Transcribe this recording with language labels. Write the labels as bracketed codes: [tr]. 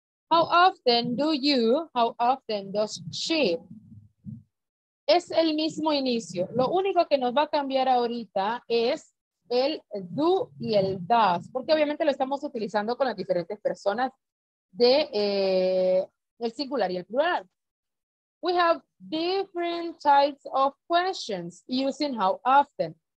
[en] How often do you, how often does she? [es] Es el mismo inicio. Lo único que nos va a cambiar ahorita es el do y el does, porque obviamente lo estamos utilizando con las diferentes personas de el singular y el plural. [en] We have different types of questions using how often.